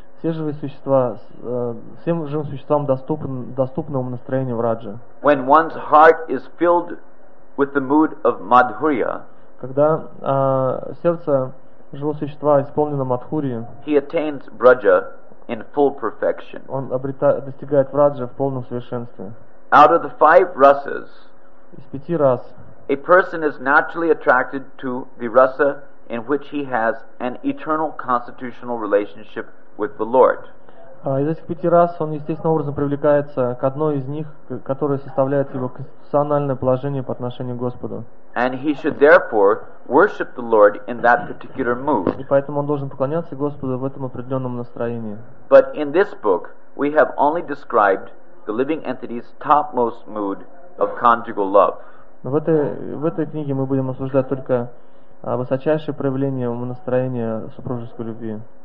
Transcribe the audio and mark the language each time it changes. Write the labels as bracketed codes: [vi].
[ru] Все живые существа, всем живым существам доступно настроение Враджа. [en] When one's heart is filled with the mood of Madhurya, [ru] когда сердце живого существа исполнено Мадхурьи, [en] he attains Vraja in full perfection. [ru] Он достигает Враджа в полном совершенстве. [en] Out of the five rasas, [ru] из пяти рас, [en] a person is naturally attracted to the rasa in which he has an eternal constitutional relationship with the Lord. [ru] Из этих пяти раз он естественным образом привлекается к одной из них, которая составляет его конституциональное положение по отношению к Господу. [en] And he should therefore worship the Lord in that particular mood. [ru] И поэтому он должен поклоняться Господу в этом определенном настроении. [en] But in this book we have only described the living entity's topmost mood of conjugal love. [ru] Но в этой книге мы будем обсуждать только высочайшее проявление настроения супружеской любви.